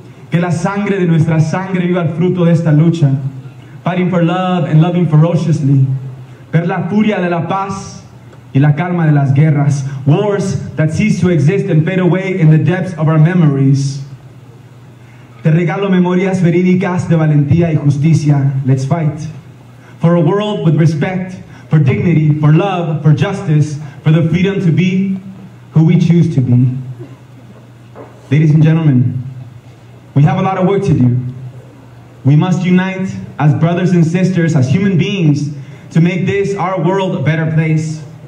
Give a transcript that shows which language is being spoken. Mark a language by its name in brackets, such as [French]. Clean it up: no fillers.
[Spanish] Que la sangre de nuestra sangre viva el fruto de esta lucha. [English] Fighting for love and loving ferociously. [Spanish] Ver la furia de la paz y la calma de las guerras. [English] Wars that cease to exist and fade away in the depths of our memories. [Spanish] Te regalo memorias verídicas de valentía y justicia. [English] Let's fight. For a world with respect, for dignity, for love, for justice, for the freedom to be who we choose to be. Ladies and gentlemen, we have a lot of work to do. We must unite as brothers and sisters, as human beings, to make this, our world, a better place.